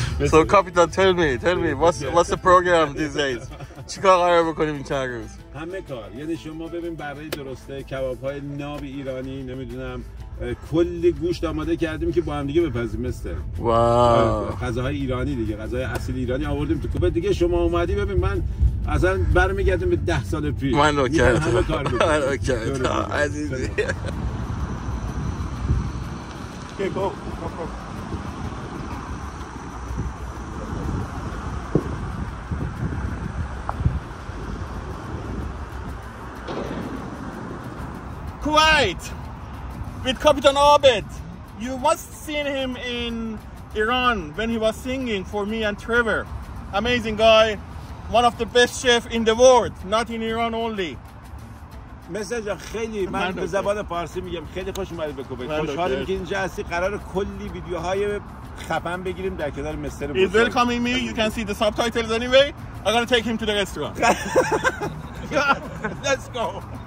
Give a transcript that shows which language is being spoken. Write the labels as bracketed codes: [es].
[en] So, Kapitan, tell me, what's the program these days? [fa] چی کار قرار بکنیم این چند روز؟ همه کار. یعنی شما ببین برای درسته کباب های ناب ایرانی نمیدونم کلی گوشت آماده کردیم که با هم دیگه بپزیم مستر. واو. غذاهای ایرانی دیگه، غذاهای اصیل ایرانی آوردیم تو کوبه دیگه. شما اومدی ببین من اصلا برمیگردم به 10 سال پیش. من رو کرد. همه کار من رو کرد. عزیزی. [en] Kuwait with Kapitan Abed. You must seen him in Iran when he was singing for me and Trevor. Amazing guy, one of the best chef in the world, not in Iran only. [fa] مسیح جان خیلی من به زبان فارسی میگم خیلی خوش اومدید به کوبه. خوشحالم که اینجا هستی. قرار کلی ویدیوهای خفن بگیریم در کنار مستر [en] بزرگ. He's welcoming me. You can see the subtitles anyway. I'm gonna take him to the restaurant. Let's go.